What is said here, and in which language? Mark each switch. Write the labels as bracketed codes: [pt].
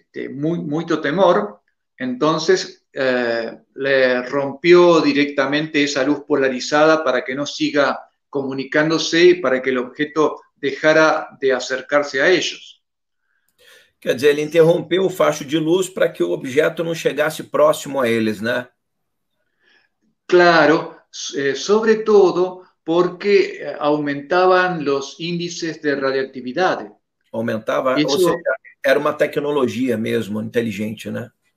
[es] mucho temor, entonces le rompió directamente esa luz polarizada para que no siga comunicándose y para que el objeto dejara de acercarse a ellos. [pt] Quer dizer, ele interrompeu o facho de luz para que o objeto não chegasse próximo a eles, né? [es] Claro, sobre todo porque aumentaban los índices de radioactividad. [pt] Aumentava, ou seja, [es] Eso. [pt] era uma tecnologia mesmo, inteligente, né?